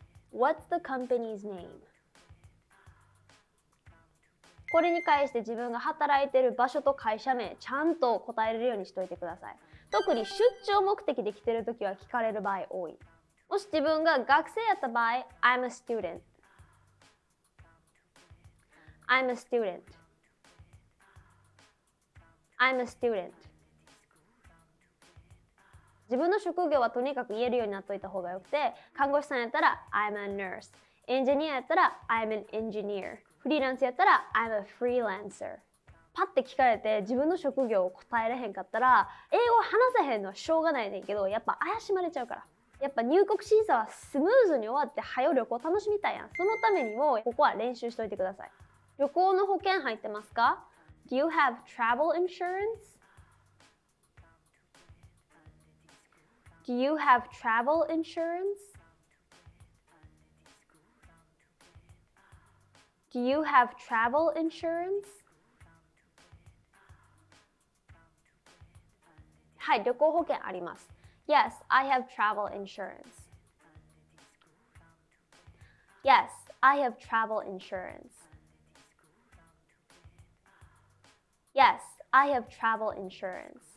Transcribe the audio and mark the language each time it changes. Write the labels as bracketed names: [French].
[English] What's the company's name? [Japanese] これに返して自分が働いている場所と会社名ちゃんと答えれるようにしておいてください。特に出張目的で来てるときは聞かれる場合多い。もし自分が学生やった場合 [English] I'm a student I'm a student I'm a student [Japanese] 自分の職業はとにかく言えるようになっておいた方がよくて、看護師さんやったら [English] I'm a nurse、 [Japanese] エンジニアやったら [English] I'm an engineer、 [Japanese] フリーランスやったら [English] I'm a freelancer。 [Japanese] パッて聞かれて自分の職業を答えれへんかったら、英語話せへんのはしょうがないねんけど、やっぱ怪しまれちゃうから。やっぱ入国審査はスムーズに終わって早旅行楽しみたいやん。そのためにもここは練習しといてください。旅行の保険入ってますか？ [English] Do you have travel insurance? Do you have travel insuranceDo you have travel insurance? [Japanese] はい、旅行保険あります。 [English] Yes, I have travel insurance. Yes, I have travel insurance. Yes, I have travel insurance.